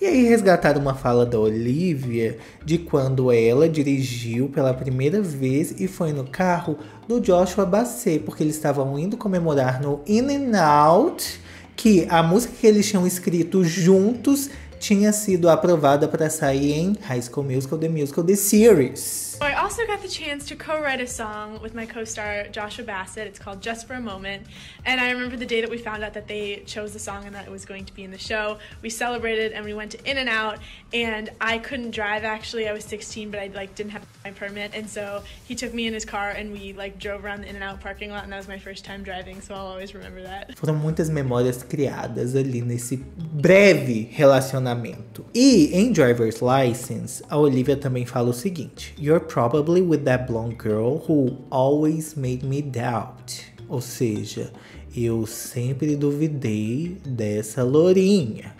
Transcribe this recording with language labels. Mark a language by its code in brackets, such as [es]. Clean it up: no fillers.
[pt] E aí resgataram uma fala da Olivia de quando ela dirigiu pela primeira vez e foi no carro do Joshua Bassett, porque eles estavam indo comemorar no In-N-Out que a música que eles tinham escrito juntos tinha sido aprovada para sair em High School Musical, The Musical, The Series. [en] I also got the chance to co-write a song with my co-star Joshua Bassett. It's called Just for a Moment. And I remember the day that we found out that they chose the song and that it was going to be in the show. We celebrated and we went to In-N-Out. And I couldn't drive, actually. I was 16, but I like didn't have my permit. And so he took me in his car and we like drove around the In-N-Out parking lot. And that was my first time driving, so I'll always remember that. [pt] Foram muitas memórias criadas ali nesse breve relacionamento. E em Driver's License, a Olivia também fala o seguinte: [en] you're probably with that blonde girl who always made me doubt. [pt] Ou seja, eu sempre duvidei dessa lourinha.